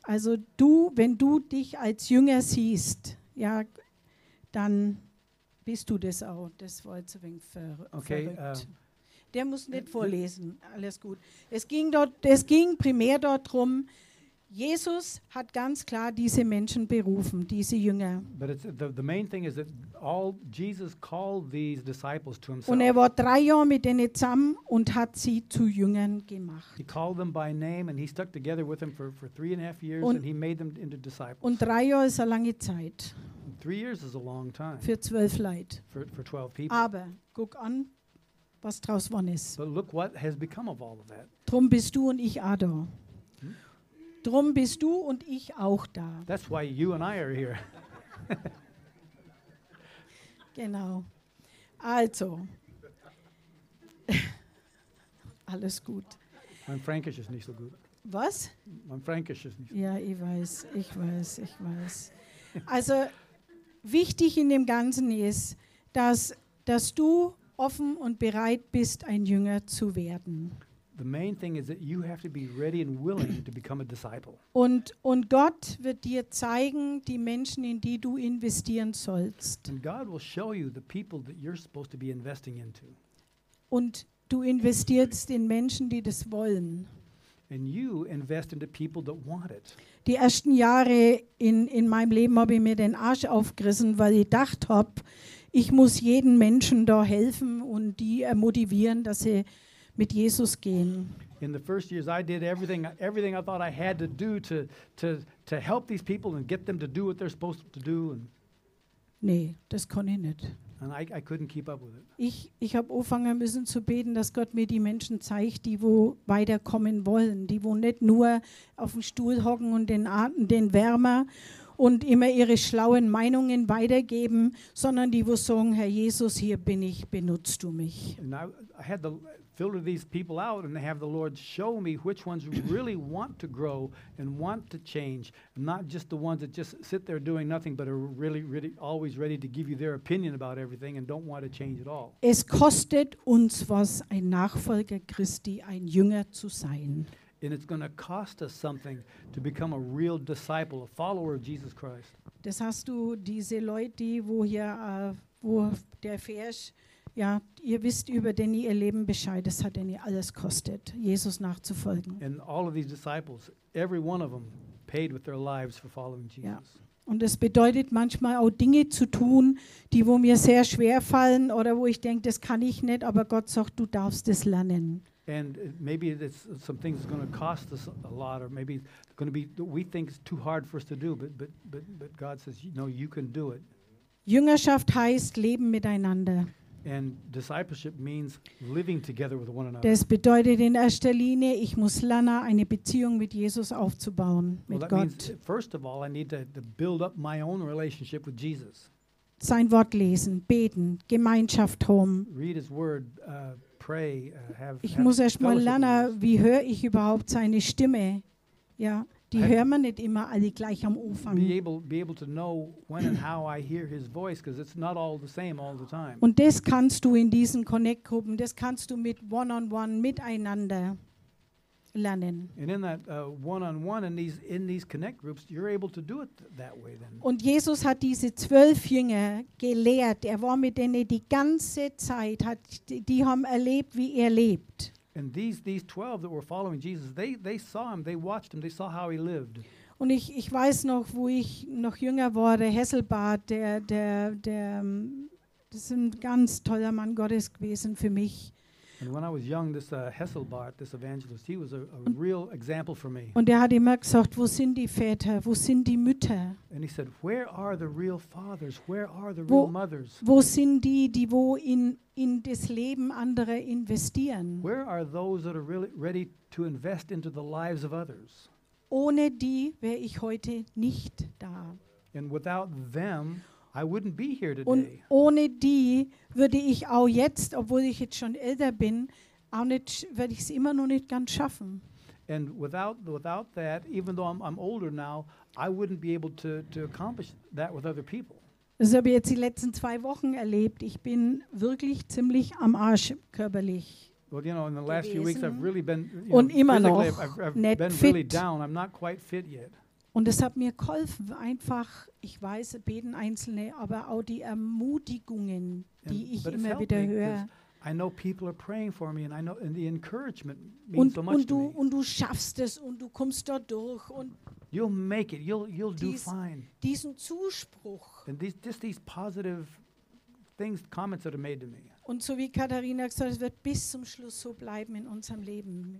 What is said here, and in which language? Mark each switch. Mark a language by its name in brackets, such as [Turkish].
[German] Also du, wenn du dich als Jünger siehst, ja, dann bist du das auch. Das war jetzt ein wenig verrückt. Der muss nicht vorlesen. Alles gut. Es ging primär dort drum. Jesus hat ganz klar diese Menschen berufen, diese Jünger. [English] But the main thing is that all Jesus called these disciples to himself. [German] Und er war 3 Jahre mit denen zusammen und hat sie zu Jüngern gemacht. [English] He called them by name and he stuck together with them for 3.5 years [German] und [English] he made them into disciples. [German] Und 3 Jahre ist eine lange Zeit. [English] 3 years is a long time. [German] Für 12 Leute. [English] For 12 people. [German] Aber guck an, was draus geworden ist. [English] But look what has become of all of that. [German] Drum bist du und ich auch da. Drum bist du und ich auch da. [English] That's why you and I are here. [German] Genau. Also. Alles gut. Mein Fränkisch ist nicht so gut. Was? Mein Fränkisch ist nicht so gut. Ja, ich weiß. Also, wichtig in dem Ganzen ist, dass du offen und bereit bist, ein Jünger zu werden. [English] The main thing is that you have to be ready and willing to become a disciple. [German] Und Gott wird dir zeigen, die Menschen, in die du investieren sollst. [English] And God will show you the people that you're supposed to be investing into. [German] Und du investierst in Menschen, die das wollen. [English] And you invest into people that want it. [German] Die ersten Jahre in meinem Leben habe ich mir den Arsch aufgerissen, weil ich gedacht habe, ich muss jeden Menschen da helfen und die motivieren, dass sie mit Jesus gehen. [English] In the first years I did everything I thought I had to do to help these people and get them to do what they're supposed to do. And [German] nee, das konnte ich nicht. [English] And I couldn't keep up with it. [German] Ich habe angefangen müssen zu beten, dass Gott mir die Menschen zeigt, die wo weiterkommen wollen, die wo nicht nur auf dem Stuhl hocken und den Wärmer und immer ihre schlauen Meinungen weitergeben, sondern die, wo sagen, Herr Jesus, hier bin ich, benutzt du mich. [English] And I had to filter these people out and have the Lord show me which ones really want to grow and want to change, not just the ones that just sit there doing nothing, but are really, really always ready to give you their opinion about everything and don't want to change at all. [German] Es kostet uns was, ein Nachfolger Christi, ein Jünger zu sein. [English] And it's going to cost us something to become a real disciple, a follower of Jesus Christ. [German] Das hast du diese Leute, wo hier, wo der Vers, ja, ihr wisst über Danny ihr Leben Bescheid. Das hat Danny alles kostet, Jesus nachzufolgen. [English] And all of these disciples, every one of them, paid with their lives for following Jesus. [German] Ja. Und es bedeutet manchmal auch Dinge zu tun, die wo mir sehr schwer fallen oder wo ich denke, das kann ich nicht. Aber Gott sagt, du darfst es lernen. [English] And maybe it's some things going to cost us a lot, or maybe it's going to be, we think it's too hard for us to do, but God says, no, you can do it. [German] Jüngerschaft heißt leben miteinander. [English] And discipleship means living together with one another. [German] Das bedeutet in erster Linie, ich muss lernen, eine Beziehung mit Jesus aufzubauen, mit Gott. [English] Well, that means, first of all, I need to build up my own relationship with Jesus. [German] Sein Wort lesen, beten, Gemeinschaft haben. [English] Read his word, pray, [German] ich muss erst mal lernen, wie höre ich überhaupt seine Stimme? Ja, die hören wir nicht immer alle gleich am Anfang. Und das kannst du in diesen Connect-Gruppen, das kannst du mit One-on-One miteinander lernen. [English] And in that One-on-One in these Connect-Groups, you're able to do it that way then. [German] Und Jesus hat diese 12 Jünger gelehrt. Er war mit denen die ganze Zeit. Die haben erlebt, wie er lebt. [English] And these 12 that were following Jesus, they saw him, they watched him, they saw how he lived. [German] Und ich weiß noch, wo ich noch jünger war, der Hesselbart, der das ist ein ganz toller Mann Gottes gewesen für mich. [English] And when I was young, this Hesselbart, this evangelist, he was a real example for me. [German] Und er hat immer gesagt, wo sind die Väter, wo sind die Mütter? [English] And he said, where are the real fathers, where are the real mothers? [German] Wo sind die wo in das Leben anderer investieren? [English] Where are those that are really ready to invest into the lives of others? [German] Ohne die wäre ich heute nicht da. [English] And without them, I wouldn't be here today. [German] Und ohne die würde ich auch jetzt, obwohl ich jetzt schon älter bin, auch nicht, würde ich es immer noch nicht ganz schaffen. [English] And without that, even though I'm older now, I wouldn't be able to accomplish that with other people. [German] Das habe ich jetzt die letzten 2 Wochen erlebt. Ich bin wirklich ziemlich am Arsch körperlich. [English] Well, you know, in the last few weeks I've really been, [German] und immer noch [English] I've been fit. Really down. I'm not quite fit yet. Und es hat mir geholfen, einfach, ich weiß, beten Einzelne, aber auch die Ermutigungen, die ich immer wieder höre. I know people are praying for me and I know and the encouragement means [German] und, [English] so much to me. [German] Und du schaffst es und du kommst da durch. Und [English] you'll make it, you'll do fine. [German] Diesen Zuspruch. [English] And these positive things, comments that are made to me. [German] Und so wie Katharina gesagt, es wird bis zum Schluss so bleiben in unserem Leben.